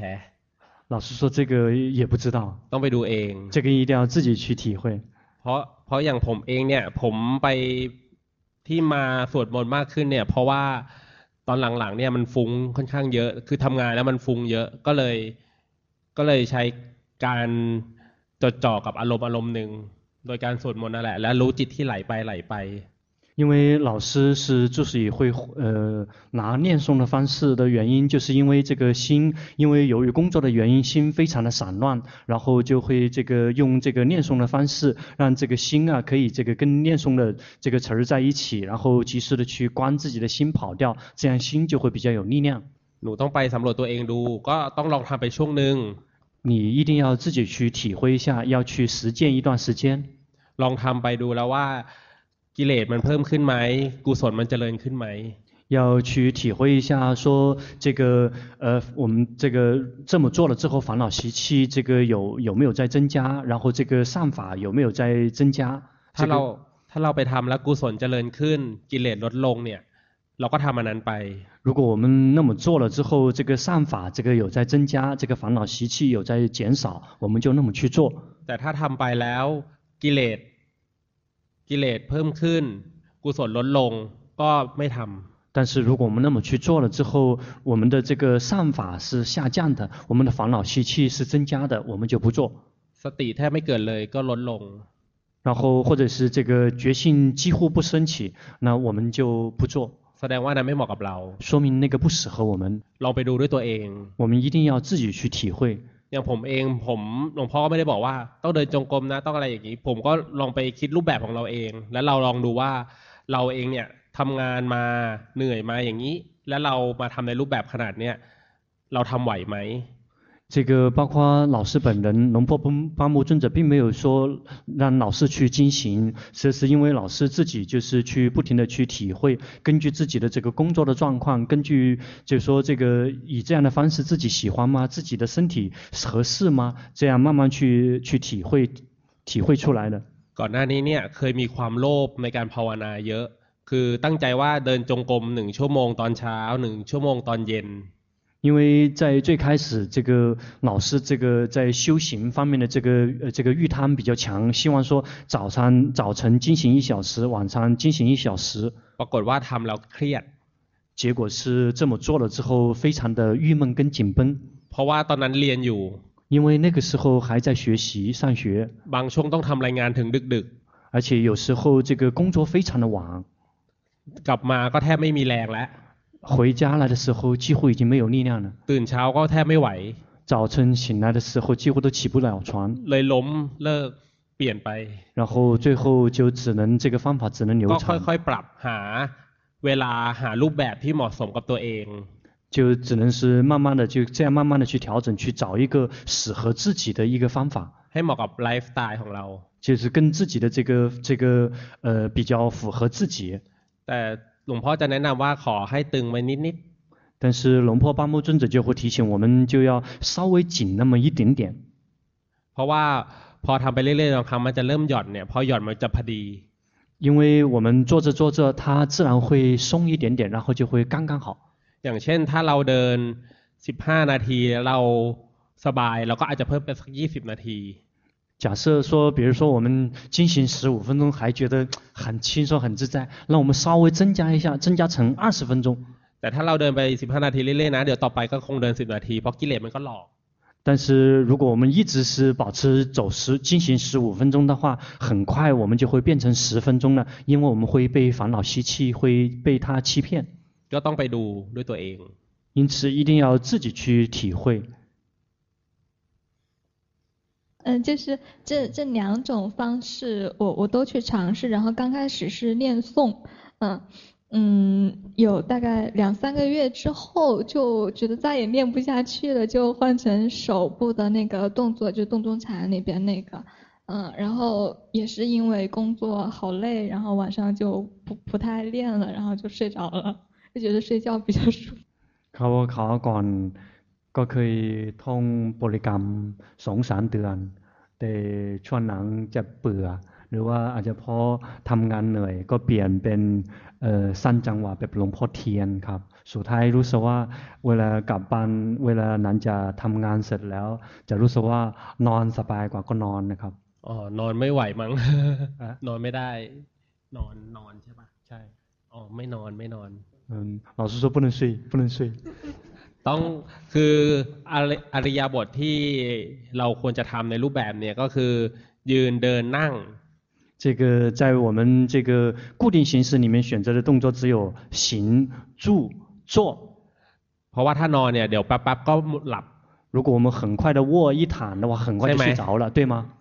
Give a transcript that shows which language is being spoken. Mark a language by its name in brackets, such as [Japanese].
[Chinese] ฮ老师说这个也不知道 [Thai] ต้องไปดูเอง [Chinese] 这个一定要自己去体会 [Thai] เพราะอย่างผมเองเนี่ยผมไปที่มาสวดมนต์มากขึ้นเนี่ยเพราะว่าตอนหลังๆเนี่ยมันฟุ้งค่อนข้างเยอะคือทำงานแล้วมันฟุ้งเยอะก็เลยใช้การจดจ่อกับอารมณ์หนึ่งโดยการสวดมนต์นั่นแหละแล้วรู้จิตที่ไหลไป [Chinese] 因为老师是就是也会拿念诵的方式的原因就是因为这个心因为由于工作的原因心非常的散乱然后就会这个用这个念诵的方式让这个心啊可以这个跟念诵的这个词儿在一起然后及时的去观自己的心跑掉这样心就会比较有力量 [Thai] หนูต้องไปสำรวจตัวเองดูก็ต้องลองทำไปช่วงนึง [Chinese] 你一定要自己去体会一下要去实践一段时间 [Thai] ลองทำไปดูแล้วว่ากิเลสมันเพิ่มขึ้นไหมกุศลมันเจริญขึ้นไหม [Chinese] 要去体会一下说这个我们这个这么做了之后烦恼习气这个有没有在增加然后这个善法有没有在增加 [Thai] ถ้าเราไปทำแล้วกุศลเจริญขึ้นกิเลสลดลงเนี่ยเราก็ทำอันนั้นไป [Chinese] 如果我们那么做了之后这个善法这个有在增加这个烦恼习气有在减少我们就那么去做 [Thai] แต่ถ้าทำไปแล้วกิเลสเพิ่มขึ้นกุศลลดลงก็ไม่ทำ [Chinese] 但是如果我们那么去做了之后我们的这个善法是下降的我们的烦恼习气是增加的我们就不做 [Thai] สติแทบไม่เกิดเลยก็ลดลง [Chinese] 然后或者是这个决心几乎不升起那我们就不做 [Thai] แสดงว่านั้นไม่เหมาะกับเรา [Chinese] 说明那个不适合我们 [Thai] ลองไปดูด้วยตัวเอง [Chinese] 我们一定要自己去体会 [Thai] อย่างผมเองผมหลวงพ่อก็ไม่ได้บอกว่าต้องเดินจงกรมนะต้องอะไรอย่างนี้ผมก็ลองไปคิดรูปแบบของเราเองแล้วเราลองดูว่าเราเองเนี่ยทำงานมาเหนื่อยมาอย่างนี้แล้วเรามาทำในรูปแบบขนาดเนี้ยเราทำไหวไหม [Chinese] 这个包括老师本人龙婆巴木尊者并没有说让老师去进行，这是因为老师自己就是去不停的去体会，根据自己的这个工作的状况，根据就是说这个以这样的方式自己喜欢吗，自己的身体合适吗，这样慢慢去体会出来的。 [Thai] ก่อนหน้านี้เนี่ยเคยมีความโลภในการภาวนาเยอะคือตั้งใจว่าเดินจงกรม1ชั่วโมงตอนเช้า1ชั่วโมงตอนเย็น [Chinese] 因为在最开始这个老师这个在修行方面的这个欲贪比较强，希望说早晨进行一小时，晚上进行一小时。 [Thai] ปรากฏว่าทำแล้วเครียด [Chinese] 结果是这么做了之后非常的郁闷跟紧绷。 [Thai] เพราะว่าตอนนั้นเรียนอยู่ [Chinese] 因为那个时候还在学习上学。 [Thai] บางช่วงต้องทำรายงานถึงดึก [Chinese] 而且有时候这个工作非常的晚。 [Thai] กลับมาก็แทบไม่มีแรงแล้ว [Chinese] 回家来的时候几乎已经没有力量了 [Thai] ตื่นเช้าก็แทบไม่ไหว [Chinese] 早晨醒来的时候几乎都起不了床 [Thai] เลยล้มเลิกเปลี่ยนไป [Chinese] 然后最后就只能这个方法只能流传 [Thai] ก็ค่อยๆปรับหาเวลาหารูปแบบที่เหมาะสมกับตัวเอง [Chinese] 就只能是慢慢的就这样慢慢的去调整去找一个适合自己的一个方法 [Thai] ให้เหมาะกับไลฟ์สไตล์ของเรา [Chinese] 就是跟自己的这个比较符合自己 [Thai] แต่หลวงพ่อจะแนะนำว่าขอให้ตึงไว้นิด [Chinese] ๆ但是龙婆巴木尊者就会提醒我们就要稍微紧那么一点点 [Thai] เพราะว่าพอทำไปเรื่อยๆทองคำมันจะเริ่มหย่อนเนี่ยพอหย่อนมันจะพอดี [Chinese] 因为我们做着它自然会松一点点然后就会刚刚好 [Thai] อย่างเช่นถ้าเราเดิน15นาทีเราสบายเราก็อาจจะเพิ่มไปสัก20นาที [Chinese] 假设说比如说我们进行15分钟还觉得很轻松很自在那我们稍微增加一下增加成20分钟 [Thai] แต่ถ้าเราเดินไป15นาทีเรื่อยๆนะเดี๋ยวต่อไปก็คงเดิน10นาทีเพราะกิเลสมันก็หลอก [Chinese] 但是如果我们一直是保持走10进行15分钟的话很快我们就会变成10分钟了因为我们会被烦恼习气会被它欺骗 [Thai] ก็ต้องไปดูด้วยตัวเอง [Chinese] 因此一定要自己去体会就是这两种方式我都去尝试然后刚开始是念诵有大概两三个月之后就觉得再也念不下去了就换成手部的那个动作就洞中禅那边那个然后也是因为工作好累然后晚上就不太练了然后就睡着了就觉得睡觉比较舒服考我考我管 [Thai] ก็เคยท่องบริกรรมสองสามเดือนแต่ช่วงหลังจะเบื่อหรือว่าอาจจะเพราะทำงานเหนื่อยก็เปลี่ยนเป็นสั้นจังหวะแบบหลวงพ่อเทียนครับสุดท้ายรู้สึกว่าเวลากลับบ้านเวลานั้นจะทำงานเสร็จแล้วจะรู้สึกว่านอนสบายกว่าก็นอนนะครับ อ๋อนอนไม่ไหวมั้งนอนไม่ได้นอนใช่ปะ ใช่ อ๋อไม่นอน [Chinese] 老师说不能睡 [Thai] ต้องคืออริยบทที่เราควรจะทำในรูปแบบเนี่ยก็คือยืนเดินนั่ง [Chinese] 这个在我们这个固定形式里面选择的动作只有行住坐 [Thai] เพราะว่าถ้านอนเนี่ยเดี๋ยวแป๊บๆก็หลับ [Chinese] 如果我们很快的卧一躺的话很快就睡着了对吗